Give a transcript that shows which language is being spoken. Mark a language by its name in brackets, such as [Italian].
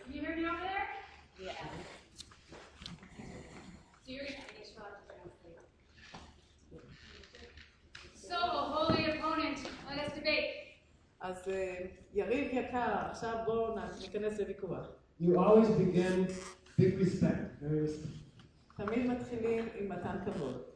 [English] Can you hear me over there? Yeah. So you're going to have to get shot. So, holy opponent, let us debate. [Hebrew] אז יריב יקר, עכשיו בואו ניכנס לוויכוח. [English] You always begin big respect, very respect. [Hebrew] תמיד מתחילים עם מתן כבוד.